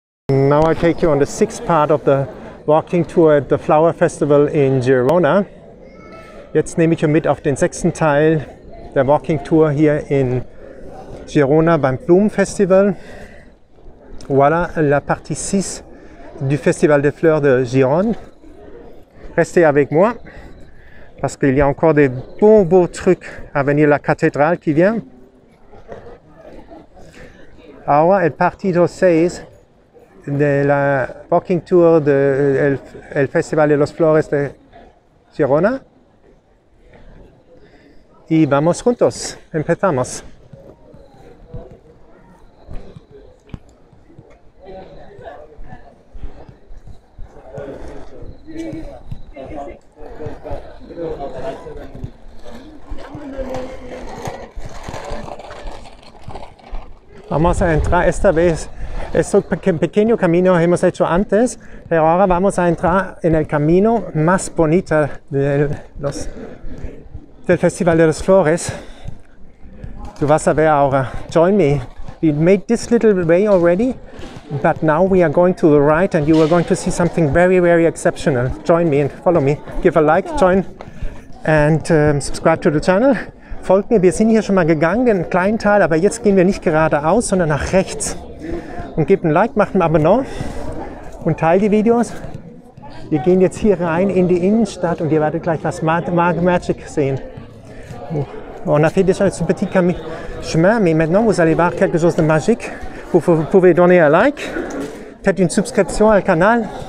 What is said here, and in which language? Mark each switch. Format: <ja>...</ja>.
<en>now I take you on the sixth part of the walking tour at the Flower Festival in Girona.</en> <de>Jetzt nehme ich euch mit auf den sechsten Teil der Walking Tour hier in Girona beim Blumenfestival.</de> <fr>Voilà la partie 6 du Festival des Fleurs de Gironde. Restez avec moi, parce qu'il y a encore des bons beaux trucs à venir, la cathédrale qui vient.</fr> <es>Ahora el partido 6 de la walking tour del el Festival de los Flores de Girona. Y vamos juntos, empezamos. Vamos a entrar esta vez. Es un pequeño camino que hemos hecho antes, pero ahora vamos a entrar en el camino más bonito del Festival de las Flores. Tú vas a ver ahora.</es> <en>Join me. We made this little way already, but now we are going to the right and you are going to see something very, very exceptional. Join me and follow me. Give a like, join and subscribe to the channel.</en> <de>Folgt mir, wir sind hier schon mal gegangen, den kleinen Teil, aber jetzt gehen wir nicht geradeaus, sondern nach rechts. Und gebt ein Like, macht ein Abonnement und teilt die Videos. Wir gehen jetzt hier rein in die Innenstadt und ihr werdet gleich was Magic sehen.</de> <fr>On a fait déjà ce petit chemin, mais maintenant vous allez voir quelque chose de magique. Vous pouvez donner un like, peut-être une subscription au canal.</fr>